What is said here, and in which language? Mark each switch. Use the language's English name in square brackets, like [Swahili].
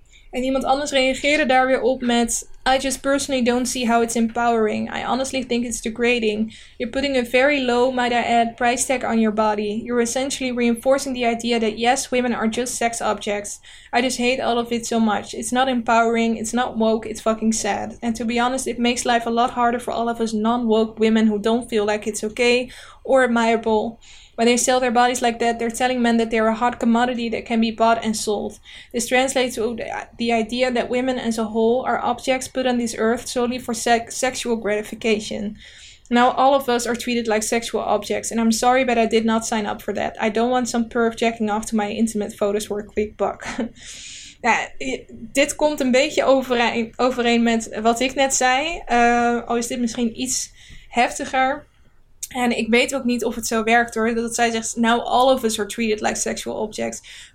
[Dutch] En iemand anders reageerde daar weer op met... [English] I just personally don't see how it's empowering. I honestly think it's degrading. You're putting a very low, might I add, price tag on your body. You're essentially reinforcing the idea that yes, women are just sex objects. I just hate all of it so much. It's not empowering, it's not woke, it's fucking sad. And to be honest, it makes life a lot harder for all of us non-woke women who don't feel like it's okay or admirable. When they sell their bodies like that, they're telling men that they're a hot commodity that can be bought and sold. This translates to the idea that women as a whole are objects put on this earth solely for sexual gratification. Now all of us are treated like sexual objects, and I'm sorry, but I did not sign up for that. I don't want some perv jacking off to my intimate photos for a quick buck. [Dutch] Ja, dit komt een beetje overeen met wat ik net zei. Is dit misschien iets heftiger... En ik weet ook niet of het zo werkt hoor. Dat zij zegt, [English] now all of us are treated like sexual objects.